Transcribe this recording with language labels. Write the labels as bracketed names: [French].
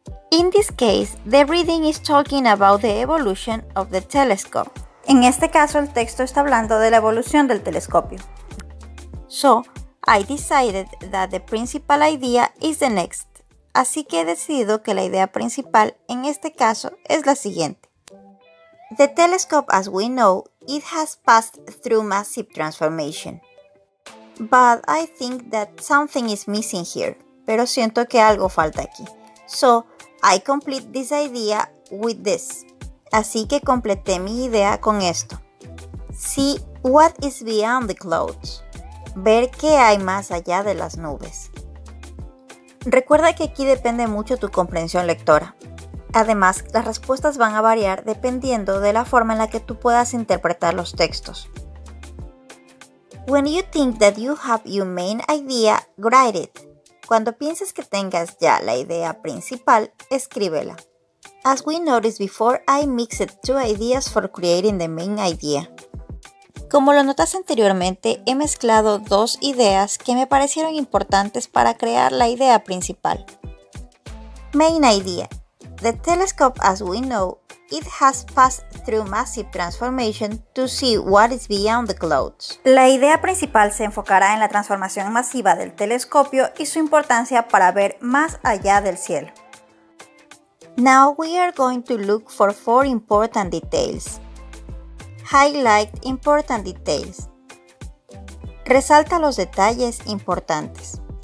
[English] In this case, the reading is talking about the evolution of the telescope. [Spanish] En este caso, el texto está hablando de la evolución del telescopio. [English] So, I decided that the principal idea is the next. [Spanish] Así que he decidido que la idea principal, en este caso, es la siguiente. [English] The telescope, as we know, it has passed through massive transformation. But I think that something is missing here. [Spanish] Pero siento que algo falta aquí. [English] So, I complete this idea with this. [Spanish] Así que completé mi idea con esto. [English] See what is beyond the clouds. [Spanish] Ver qué hay más allá de las nubes. Recuerda que aquí depende mucho tu comprensión lectora. Además, las respuestas van a variar dependiendo de la forma en la que tú puedas interpretar los textos. [English] When you think that you have your main idea, write it. [Spanish] Cuando pienses que tengas ya la idea principal, escríbela. [English] As we noticed before, I mixed two ideas for creating the main idea. [Spanish] Como lo notas anteriormente, he mezclado dos ideas que me parecieron importantes para crear la idea principal. [English] Main idea. The telescope, as we know, it has passed through massive transformation to see what is beyond the clouds. [Spanish] La idea principal se enfocará en la transformación masiva del telescopio y su importancia para ver más allá del cielo. [English] Now we are going to look for four important details. Highlight important details. [Spanish] Resalta los detalles importantes.